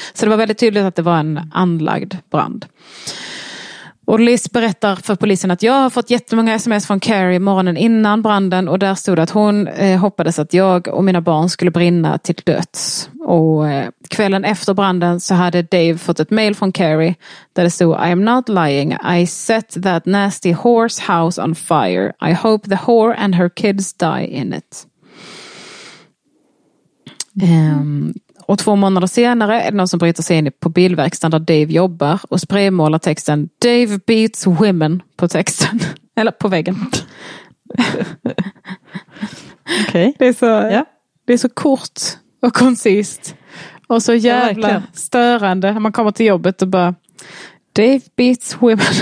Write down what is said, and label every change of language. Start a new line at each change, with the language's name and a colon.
Swedish: Så det var väldigt tydligt att det var en anlagd brand. Och Liz berättar för polisen att jag har fått jättemånga sms från Carrie morgonen innan branden och där stod det att hon hoppades att jag och mina barn skulle brinna till döds. Och kvällen efter branden så hade Dave fått ett mail från Carrie där det stod
English: I am not lying, I set that nasty whore's house on fire. I hope the whore and her kids die in it. Mm.
Swedish: Och 2 månader senare är det någon som bryter sig in på bilverkstaden där Dave jobbar och spraymålar texten
English: Dave beats women
Swedish: på texten. Eller på väggen. Okej. Okay. Det är så kort och koncist. Och så jävla störande när man kommer till jobbet och bara
English: Dave beats women.